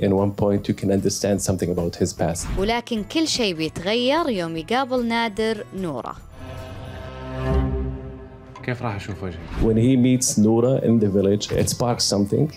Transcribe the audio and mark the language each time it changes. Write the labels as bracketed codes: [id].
[en] In one point, you can understand something about his past. [ar] ولكن كل شيء بيتغير يوم يقابل نادر نورة. كيف راح أشوف وجهه؟ [en] When he meets Noura in the village, it sparks something.